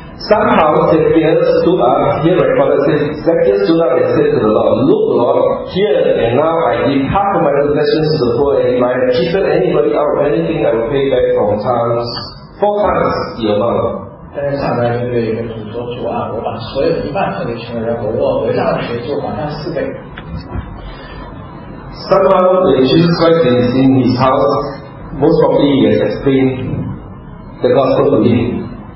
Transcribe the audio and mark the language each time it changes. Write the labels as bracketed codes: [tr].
[en] somehow Zacchaeus stood up, here my father says, Zacchaeus stood up and said to the Lord, Look, Lord, here and now I give half of my possessions to the poor, and if I have cheated anybody out of anything, I will pay back from times, four times the amount. [zh] 但是下面就对一个主说，主啊，我把所有一半分给穷人，我若回向了谁，就还他四倍。 [en] Somehow when Jesus Christ is in his house, most probably he has explained the gospel to him.